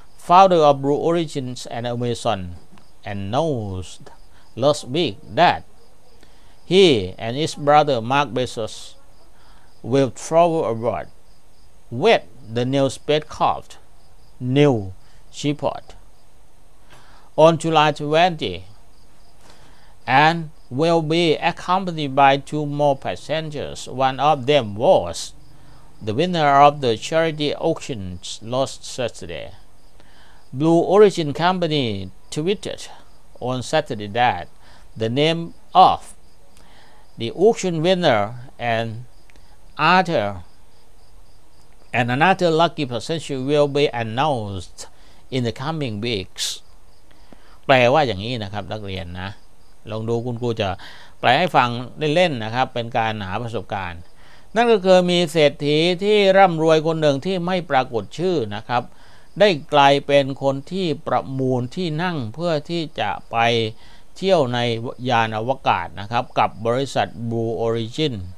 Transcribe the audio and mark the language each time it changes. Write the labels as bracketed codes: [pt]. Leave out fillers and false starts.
[en] Founder of Blue Origins and Amazon announced last week that he and his brother Mark Bezos will travel abroad with the new spacecraft New Shepard on July 20 and will be accompanied by two more passengers. One of them was the winner of the charity auction last Saturday. Blue Origin Company tweeted on Saturday that the name of the auction winner and another lucky passenger will be announced in the coming weeks. [th] แปลว่าอย่างนี้นะครับนักเรียนนะลองดูคุณครูจะแปลให้ฟังเล่นๆนะครับเป็นการหาประสบการณ์นั่นก็คือมีเศรษฐีที่ร่ำรวยคนหนึ่งที่ไม่ปรากฏชื่อนะครับได้กลายเป็นคนที่ประมูลที่นั่งเพื่อที่จะไปเที่ยวในยานอวกาศนะครับกับบริษัท Blue Origin